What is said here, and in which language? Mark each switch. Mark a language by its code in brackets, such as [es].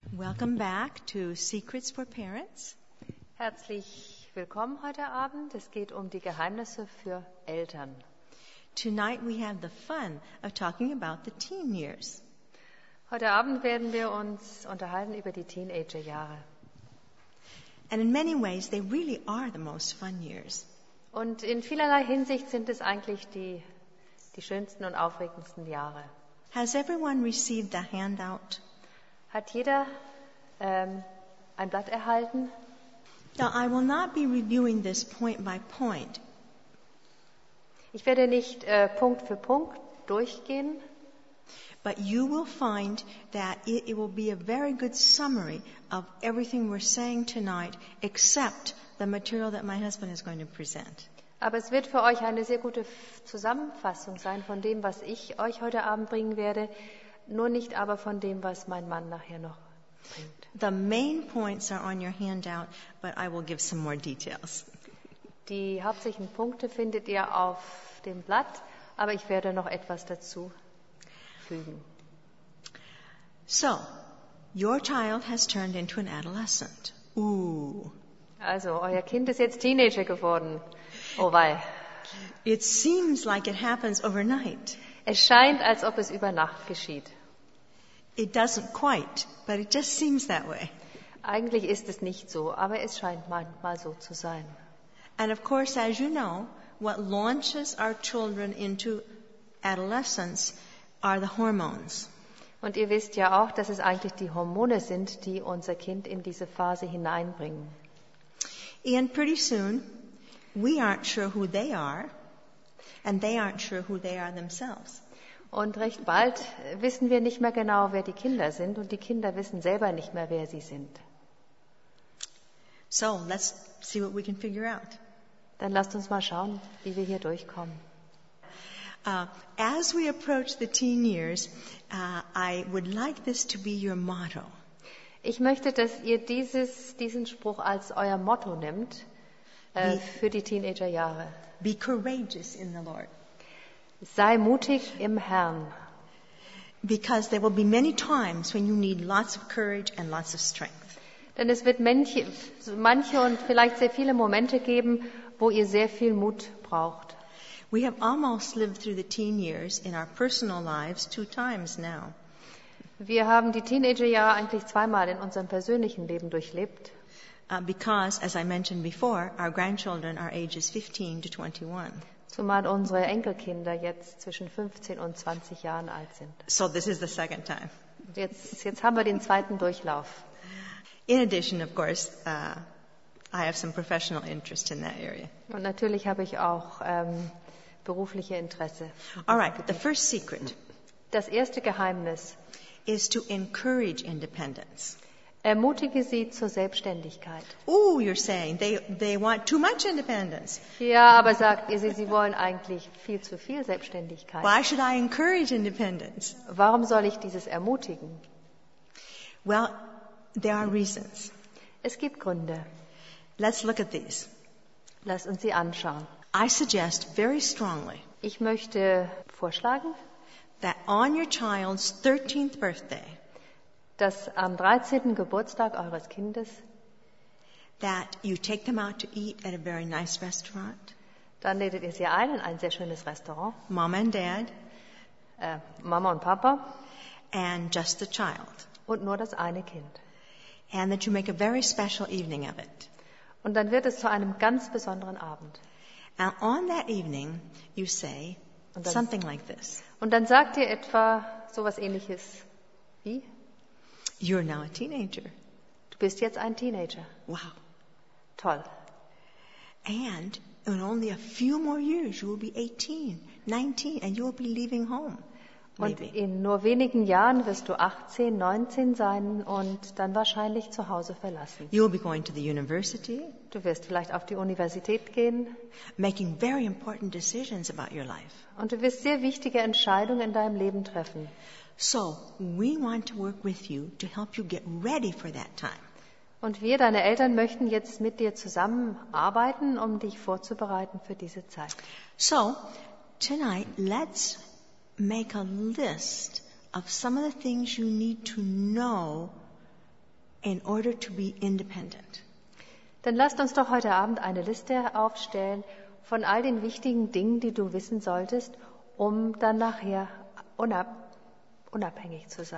[en] Welcome back to Secrets for Parents. [de] Herzlich willkommen heute Abend. Es geht um die Geheimnisse für Eltern. [en] Tonight we have the fun of talking about the teen years. [de] Heute Abend werden wir uns unterhalten über die Teenagerjahre. [en] And in many ways they really are the most fun years. [de] Und in vielerlei Hinsicht sind es eigentlich die schönsten und aufregendsten Jahre. [en] Has everyone received a handout? [de] Hat jeder ein Blatt erhalten? [en] Now, I will not be reviewing this point by point. [de] Ich werde nicht Punkt für Punkt durchgehen. [en] But you will find that it will be a very good summary of everything we're saying tonight, except the material that my husband is going to present. [de] Aber es wird für euch eine sehr gute Zusammenfassung sein von dem, was ich euch heute Abend bringen werde, nur nicht aber von dem, was mein Mann nachher noch bringt. [en] The main points are on your handout, but I will give some more details. [de] Die hauptsächlichen Punkte findet ihr auf dem Blatt, aber ich werde noch etwas dazu fügen. [en] So, your child has turned into an adolescent. [de] Also, euer Kind ist jetzt Teenager geworden. Oh wei. [en] It seems like it happens overnight. [de] Es scheint, als ob es über Nacht geschieht. [en] It doesn't quite, but it just seems that way. [de] Eigentlich ist es nicht so, aber es scheint manchmal so zu sein. [en] And of course, as you know, what launches our children into adolescence are the hormones. [de] Und ihr wisst ja auch, dass es eigentlich die Hormone sind, die unser Kind in diese Phase hineinbringen. [en] And pretty soon, we aren't sure who they are, and they aren't sure who they are themselves. [de] Und recht bald wissen wir nicht mehr genau, wer die Kinder sind, und die Kinder wissen selber nicht mehr, wer sie sind. [en] So, let's see what we can figure out. [de] Dann lasst uns mal schauen, wie wir hier durchkommen. [en] As we approach the teen years, I would like this to be your motto. [de] Ich möchte, dass ihr diesen Spruch als euer Motto nimmt für die Teenagerjahre. [en] Be courageous in the Lord. [de] Sei mutig im Herrn. [en] Because there will be many times when you need lots of courage and lots of strength. [de] Denn es wird manche und vielleicht sehr viele Momente geben, wo ihr sehr viel Mut braucht. [en] We have almost lived through the teen years in our personal lives two times now. [de] Wir haben die Teenagerjahre eigentlich zweimal in unserem persönlichen Leben durchlebt. [en] Because, as I mentioned before, our grandchildren are ages 15 to 21. [de] Zumal unsere Enkelkinder jetzt zwischen 15 und 20 Jahren alt sind. [en] So this is the second time. [de] Jetzt haben wir den zweiten Durchlauf. [en] In addition, of course, I have some professional interest in that area. [de] Und natürlich habe ich auch berufliche Interesse. [en] All right, the first secret. [de] Das erste Geheimnis [en] is to encourage independence. [de] Ermutige sie zur Selbstständigkeit. [en] Oh, you're saying they want too much independence. [de] Ja, aber sagt ihr, sie wollen eigentlich viel zu viel Selbstständigkeit. [en] Why should I encourage independence? [de] Warum soll ich dieses ermutigen? [en] Well, there are reasons. [de] Es gibt Gründe. [en] Let's look at these. [de] Lass uns sie anschauen. [en] I suggest very strongly. [de] Ich möchte vorschlagen, [en] that on your child's 13th birthday, [de] dass am 13. Geburtstag eures Kindes, [en] that you take them out to eat at a very nice restaurant. [de] Dann ladet ihr sie ein in ein sehr schönes Restaurant. [en] Mom and Dad, [de] Mama und Papa, [en] and just the child. [de] Und nur das eine Kind. [en] And that you make a very special evening of it. [de] Und dann wird es zu einem ganz besonderen Abend. [en] And on that evening, you say something like this. [de] Und dann sagt ihr etwa sowas Ähnliches wie: [en] You're now a teenager. [de] Du bist jetzt ein Teenager. [en] Wow. [de] Toll. [en] And in only a few more years you will be 18, 19 and you will be leaving home. Maybe. [de] Und in nur wenigen Jahren wirst du 18, 19 sein und dann wahrscheinlich zu Hause verlassen. [en] You will be going to the university. [de] Du wirst vielleicht auf die Universität gehen. [en] Making very important decisions about your life. [de] Und du wirst sehr wichtige Entscheidungen in deinem Leben treffen. [en] So, we want to work with you to help you get ready for that time. [de] Und wir, deine Eltern, möchten jetzt mit dir zusammenarbeiten, um dich vorzubereiten für diese Zeit. [en] So, tonight, let's make a list of some of the things you need to know in order to be independent. [de] Dann lasst uns doch heute Abend eine Liste aufstellen von all den wichtigen Dingen, die du wissen solltest, um dann nachher unabhängig zu sein.